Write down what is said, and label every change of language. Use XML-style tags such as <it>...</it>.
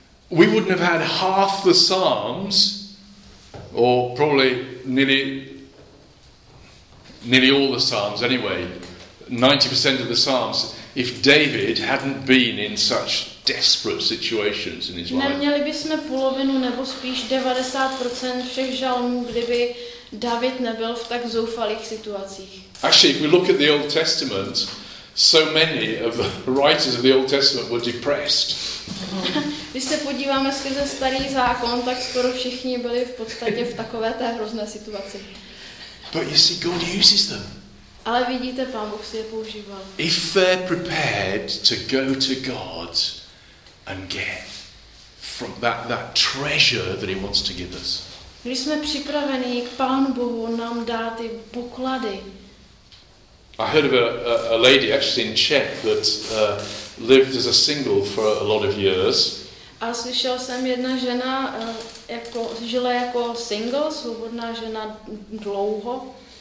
<en>We wouldn't have had half the psalms, or probably nearly all the psalms anyway, 90% of the psalms, if David hadn't been in such desperate situations in his life.</en> <cs>Neměli bychom polovinu nebo spíš 90% všech žalmů, kdyby David nebyl v tak zoufalých situacích.</cs> <en>Actually, if we look at the Old Testament, so many of the writers of the Old Testament were depressed.</en> <cs>Když se podíváme skrze starý zákon, tak skoro všichni byli v podstatě v takové té hrozné situaci.</cs> <en>But you see, God uses them.</en> <cs>Ale vidíte, Pán Bůh si je používal.</cs> <en>If they're prepared to go to God and get from that treasure that he wants to give us.</en> <cs>Když jsme připraveni k Pánu Bohu nám dát ty poklady.</cs> <en>I heard of a lady actually in Czech that lived as a single for a lot of years.</en> <cs>A slyšel jsem, jedna žena žila jako single, svobodná žena dlouho.</cs>